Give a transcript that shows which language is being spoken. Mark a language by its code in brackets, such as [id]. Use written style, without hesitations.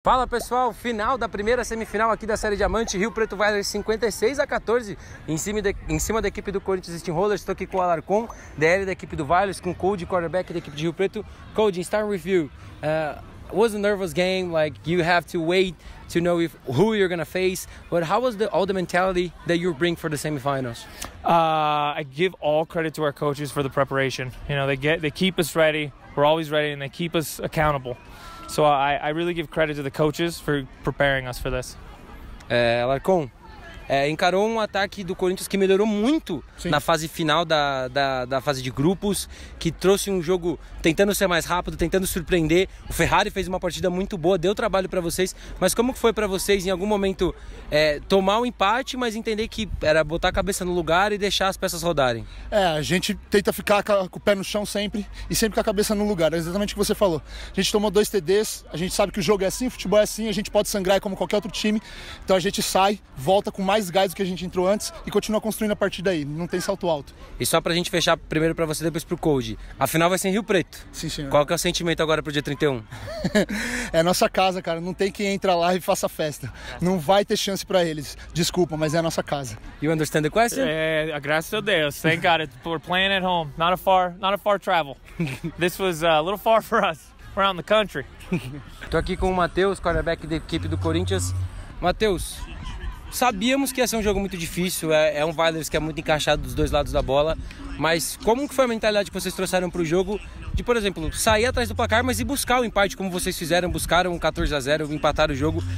[pt] Fala pessoal, final da primeira semifinal aqui da Série Diamante, Rio Preto vai 56-14 em cima da equipe do Corinthians Steamrollers. Estou aqui com o Alarcon, DL da equipe do Vales, com o Cody, quarterback da equipe de Rio Preto. [en] Cody, starting with you, was a nervous game, like you have to wait to know if who you're gonna face, but how was all the mentality that you bring for the semifinals? I give all credit to our coaches for the preparation. You know, they keep us ready, we're always ready, and they keep us accountable. So I really give credit to the coaches for preparing us for this. [pt] Alarcon, encarou um ataque do Corinthians que melhorou muito. Sim. Na fase final da fase de grupos, que trouxe um jogo tentando ser mais rápido, tentando surpreender. O Ferrari fez uma partida muito boa, deu trabalho para vocês. Mas como que foi para vocês, em algum momento, tomar o empate, mas entender que era botar a cabeça no lugar e deixar as peças rodarem? A gente tenta ficar com o pé no chão sempre, e sempre com a cabeça no lugar. É exatamente o que você falou. A gente tomou dois TDs, a gente sabe que o jogo é assim, o futebol é assim, a gente pode sangrar como qualquer outro time. Então a gente sai, volta com mais gás do que a gente entrou antes e continua construindo a partir daí. Não tem salto alto. E só pra gente fechar primeiro pra você, depois pro Cody. A final vai ser em Rio Preto. Sim, senhor. Qual que é o sentimento agora pro dia 31? É nossa casa, cara. Não tem quem entra lá e faça festa. Não vai ter chance pra eles. Desculpa, mas é a nossa casa. [en] You understand the question? [pt] Graças a Deus. [en] Thank God. We're playing at home. Not a far travel. This was a little far for us. Around the country. [pt] Tô aqui com o Matheus, quarterback da equipe do Corinthians. Matheus, sabíamos que ia ser um jogo muito difícil, é um Vilers que é muito encaixado dos dois lados da bola, mas como que foi a mentalidade que vocês trouxeram para o jogo de, por exemplo, sair atrás do placar, mas e buscar o empate como vocês fizeram, buscaram um 14-0, empataram o jogo?